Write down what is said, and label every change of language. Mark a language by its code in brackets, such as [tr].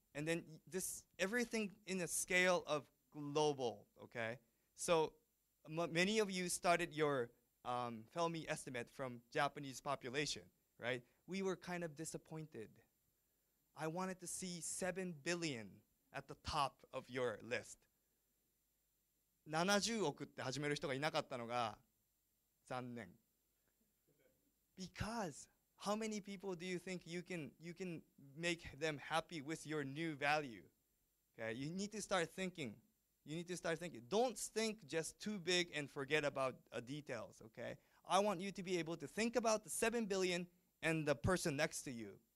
[en] And then this everything in a scale of global, okay? So many of you started your Felmy estimate from Japanese population, right? We were kind of disappointed. I wanted to see 7 billion at the top of your list. [ja] 70 億って始める人がいなかったのが残念。 [en] Because how many people do you think you can make them happy with your new value? Okay, you need to start thinking. You need to start thinking. Don't think just too big and forget about details, okay? I want you to be able to think about the 7 billion and the person next to you.